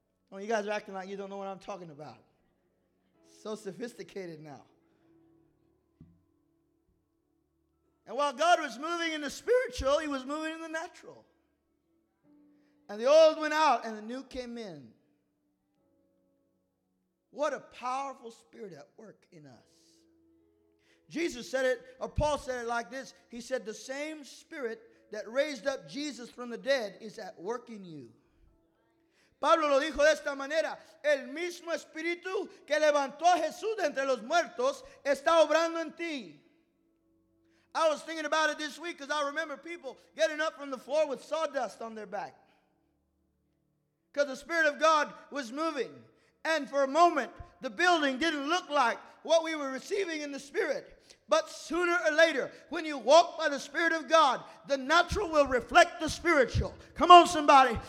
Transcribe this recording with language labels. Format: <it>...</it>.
<en>Oh, you guys are acting like you don't know what I'm talking about. So sophisticated now. And while God was moving in the spiritual, he was moving in the natural. And the old went out and the new came in. What a powerful spirit at work in us. Jesus said it, or Paul said it like this. He said, the same spirit that raised up Jesus from the dead is at work in you.</en> <es>Pablo lo dijo de esta manera. El mismo espíritu que levantó a Jesús de entre los muertos está obrando en ti.</es> <en>I was thinking about it this week because I remember people getting up from the floor with sawdust on their back. Because the Spirit of God was moving. And for a moment, the building didn't look like what we were receiving in the Spirit. But sooner or later, when you walk by the Spirit of God, the natural will reflect the spiritual. Come on, somebody.</en>